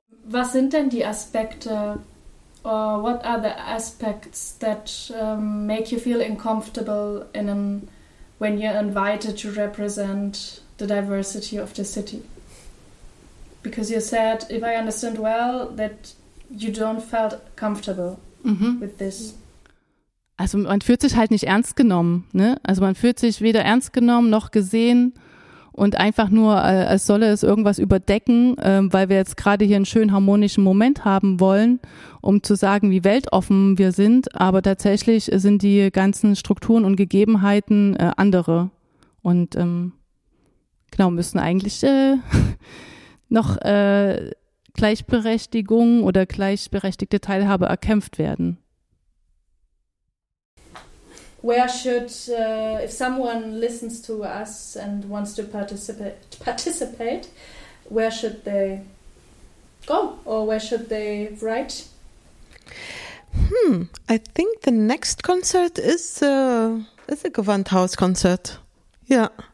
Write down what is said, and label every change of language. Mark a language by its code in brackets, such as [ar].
[de] Was sind denn die Aspekte, [en] or what are the aspects that make you feel uncomfortable when you're invited to represent the diversity of the city? Because you said, if I understand well, that you don't felt comfortable with this. [de] Also man fühlt sich halt nicht ernst genommen, ne? Also man fühlt sich weder ernst genommen noch gesehen. Und einfach nur, als solle es irgendwas überdecken, weil wir jetzt gerade hier einen schönen harmonischen Moment haben wollen, um zu sagen, wie weltoffen wir sind. Aber tatsächlich sind die ganzen Strukturen und Gegebenheiten andere. Und genau, müssen eigentlich noch Gleichberechtigung oder gleichberechtigte Teilhabe erkämpft werden. [en] Where should, if someone listens to us and wants to participate, where should they go or where should they write? I think the next concert is a Gewandhaus concert. Yeah.